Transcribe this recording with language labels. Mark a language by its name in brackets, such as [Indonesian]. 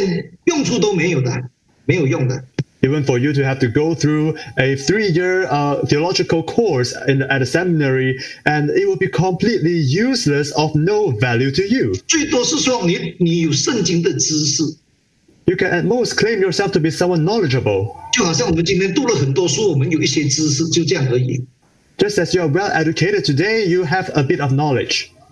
[Chinese] 甚至你去神学院读了神学博士出来了，哇，懂得圣经很多知识了，从创世纪到启示录，对你一点用处都没有的，没有用的。 [English] Even for you to have to go through a three-year theological course at a seminary, and it will be completely useless, of no value to you. [Chinese] 最多是说你有圣经的知识。 [English] You can at most claim yourself to be someone knowledgeable. [Chinese] 就好像我们今天读了很多书，我们有一些知识，就这样而已。 [English] Just as you are well educated today, you have a bit of knowledge.